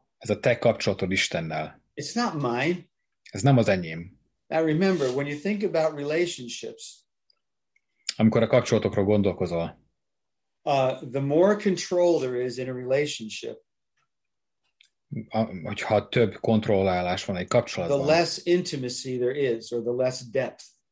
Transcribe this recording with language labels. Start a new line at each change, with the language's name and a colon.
Hungarian: Ez a te kapcsolatod Istennel.
English: It's not mine.
Hungarian: Ez nem az enyém.
English: Now remember, when you think about relationships,
Hungarian: amikor a kapcsolatokról gondolkozol,
English: the more control there is in a relationship,
Hungarian: hogyha több kontrollálás van egy kapcsolatban,
English: the less intimacy there is, or the less depth.